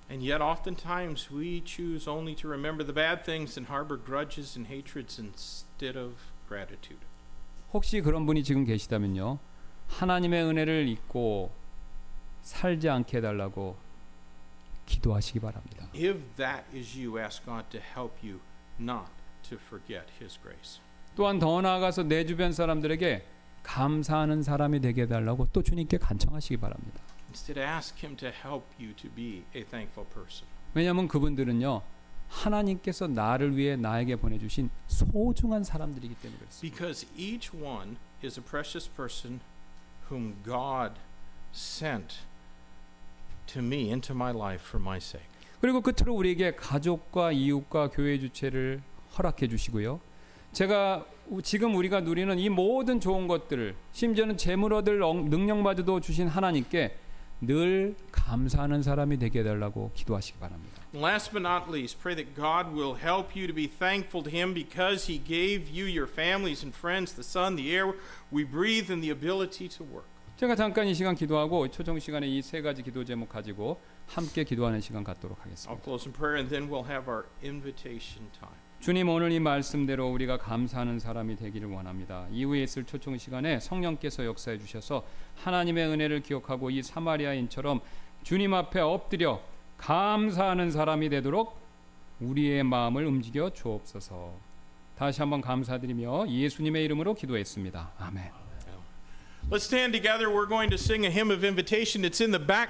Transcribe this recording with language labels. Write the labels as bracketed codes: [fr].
[en] And yet oftentimes we choose only to remember the bad things and harbor grudges and hatreds instead of gratitude. [ko] 혹시 그런 분이 지금 계시다면요. 하나님의 은혜를 잊고 살지 않게 해달라고 기도하시기 바랍니다. [en] If that is you, ask God to help you not to forget his grace. [ko] 또한 더 나아가서 내 주변 사람들에게 감사하는 사람이 되게 해달라고 또 주님께 간청하시기 바랍니다. [en] Instead, ask him to help you to be a thankful person. [ko] 왜냐하면 그분들은요 하나님께서 나를 위해 나에게 보내주신 소중한 사람들이기 때문에 그렇습니다. [en] Because each one is a precious person whom God sent to me into my life for my sake. [ko] 그리고 끝으로 우리에게 가족과 이웃과 교회 주체를 허락해 주시고요. 제가 지금 우리가 누리는 이 모든 좋은 것들을 심지어는 재물 얻을 능력마저도 주신 하나님께 늘 감사하는 사람이 되게 해달라고 기도하시기 바랍니다. [en] Last but not least, pray that God will help you to be thankful to him because he gave you your families and friends, the sun, the air we breathe, and the ability to work. [ko] 제가 잠깐 이 시간 기도하고 초청 시간에 이 세 가지 기도 제목 가지고 함께 기도하는 시간 갖도록 하겠습니다. [en] I'll close in prayer and then we'll have our invitation time. [ko] 주님 오늘 이 말씀대로 우리가 감사하는 사람이 되기를 원합니다. 이후에 있을 초청 시간에 성령께서 역사해 주셔서 하나님의 은혜를 기억하고 이 사마리아인처럼 주님 앞에 엎드려 감사하는 사람이 되도록 우리의 마음을 움직여 주옵소서. 다시 한번 감사드리며 예수님의 이름으로 기도했습니다. 아멘. [en] Let's stand together. We're going to sing a hymn of invitation. It's in the back.